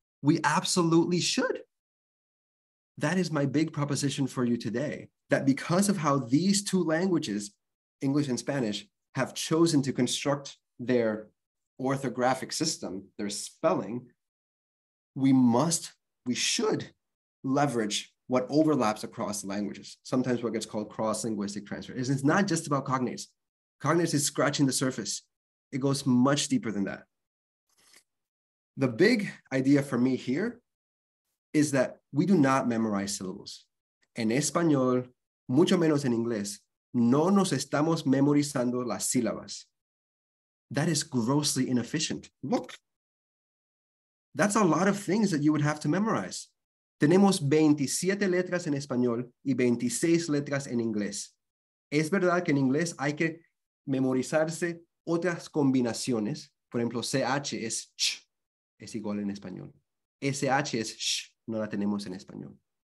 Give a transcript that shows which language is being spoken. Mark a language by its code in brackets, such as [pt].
[en] We absolutely should. That is my big proposition for you today, that because of how these two languages, English and Spanish, have chosen to construct their orthographic system, their spelling, we should leverage what overlaps across languages, sometimes what gets called cross-linguistic transfer. It's not just about cognates. Cognates is scratching the surface. It goes much deeper than that. The big idea for me here is that we do not memorize syllables. [es] En español, mucho menos en inglés, no nos estamos memorizando las sílabas. [en] That is grossly inefficient. Look. That's a lot of things that you would have to memorize. [es] Tenemos 27 letras en español y 26 letras en inglés. Es verdad que en inglés hay que memorizarse otras combinaciones. Por ejemplo, CH es CH, es igual en español. SH es SH, no la tenemos en español.